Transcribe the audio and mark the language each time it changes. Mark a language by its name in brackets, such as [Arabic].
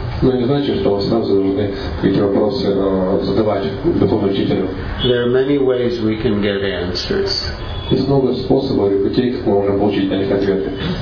[Russian] Но не значит, что вы сразу должны эти вопросы задавать духовному учителю. [English] There are many ways we can get answers. [Russian] Есть много способов и путей, как мы можем получить на них ответы.